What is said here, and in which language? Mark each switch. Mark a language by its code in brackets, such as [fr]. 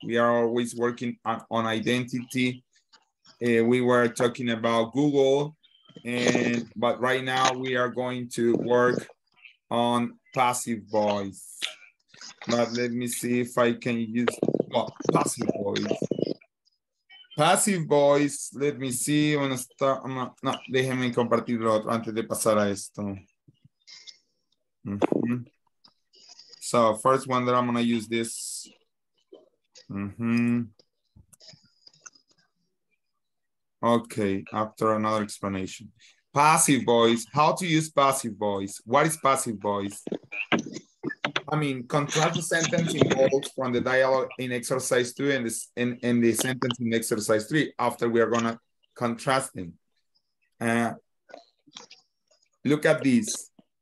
[en] We are always working on identity. We were talking about Google, but right now we are going to work on passive voice. But let me see if I can use passive voice. Passive voice, let me see. I'm gonna start. [es] No, déjenme compartir lo otro antes de pasar a esto. [en] So first one that I'm gonna use this. Okay, after another explanation. Passive voice, how to use passive voice? What is passive voice? I mean, contrast the sentence in both from the dialogue in exercise two and the sentence in exercise three after we are gonna contrast them. Look at this.